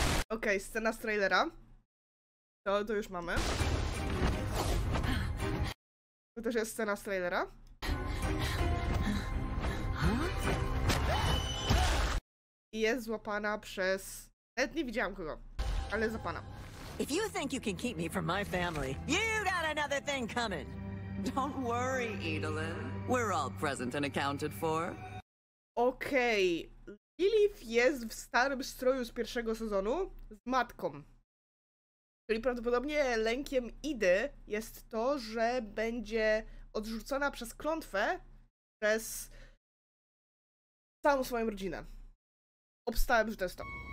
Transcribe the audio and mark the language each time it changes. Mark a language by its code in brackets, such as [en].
[pl] Okej, okay, scena z trailera. To już mamy. To też jest scena z trailera. I jest złapana przez... Nawet nie widziałam kogo, ale za pana. [en] If you think you can keep me from my family, you got another thing coming. Don't worry, Edelyn. We're all present and accounted for. Okej. Okay. [pl] Lilith jest w starym stroju z pierwszego sezonu z matką. Czyli prawdopodobnie lękiem Idy jest to, że będzie odrzucona przez klątwę przez całą swoją rodzinę. Obstałem, że to jest to.